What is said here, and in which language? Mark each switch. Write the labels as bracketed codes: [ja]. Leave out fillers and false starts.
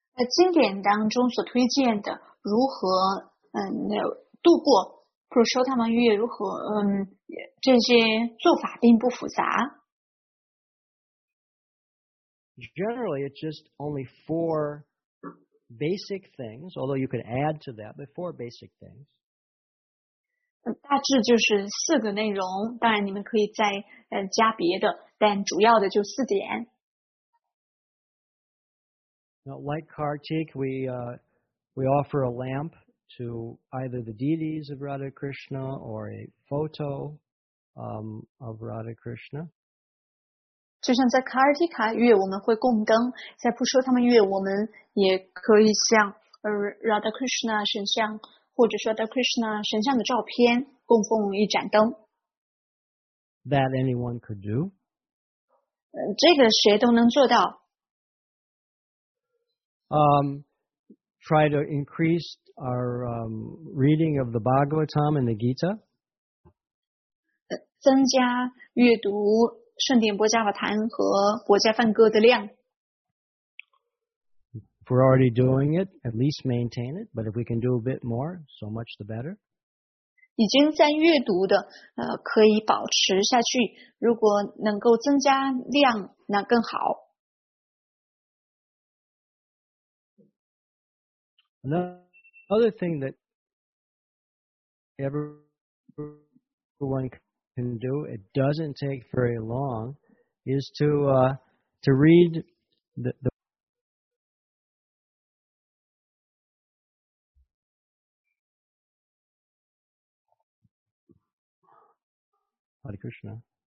[zh] 经典当中所推荐的如何度过 Purushottam 月，如何这些做法并不复杂。 [en] Generally, it's just only four basic things, although you could add to that, but four basic things. [zh] 大致就是四个内容，当然你们可以再加别的，但主要的就四点。 [en] Now, like Kartik, we offer a lamp to either the deities of Radha Krishna or a photo of Radha Krishna. [zh] 就像在 Kartika 月我们会供灯，在 Purushottam 月我们也可以向Radha Krishna 神像。或者说 Radha Krishna 神像的照片供奉一盏灯。 [en] That anyone could do. [zh] 这个谁都能做到。 [en] Try to increase our reading of the Bhagavatam and the Gita. [zh] 增加阅读圣典波迦瓦坛和波迦梵歌的量。 [en] If we're already doing it, at least maintain it. But if we can do a bit more, so much the better. [zh] 已经在阅读的，可以保持下去。如果能够增加量，那更好。 [en] Another thing that everyone can do, it doesn't take very long, is to read the Hare Krishna.